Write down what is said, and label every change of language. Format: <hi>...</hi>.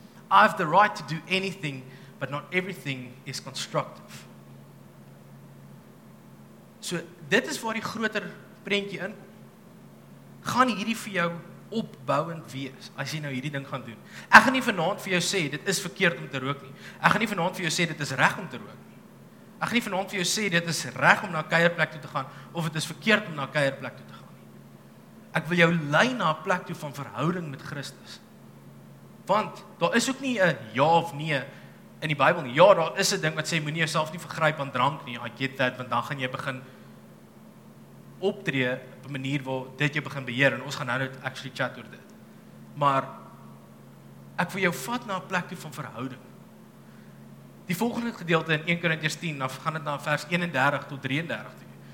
<en>I have the right to do anything, but not everything is constructive.</en> <af>So, dit is waar die groter prentjie in. Gaan hierdie vir jou opbouwend wees, as jy nou hierdie ding gaan doen. Ek gaan nie vanavond vir jou sê, dit is verkeerd om te rook nie. Ek gaan nie vanavond vir jou sê, dit is reg om te rook nie. Ek gaan nie vanavond vir jou sê, dit is reg om na kuierplek toe te gaan, of dit is verkeerd om na kuierplek toe te gaan nie. Ek wil jou lei na plek toe van verhouding met Christus. Want, daar is ook nie 'n ja of nee in die Bybel nie. Ja, daar is 'n ding wat sê, moenie jouself nie vergryp aan drank nie,</af> <en>I get that,</en> <af>want dan gaan jy begin optree op 'n manier waar dit jy begin beheer, en ons gaan nou actually chat oor dit. Maar, ek wil jou vat na 'n plek toe van verhouding. Die volgende gedeelte in 1 Korintiërs 10, dan gaan dit na vers 31 tot 33 toe.</af>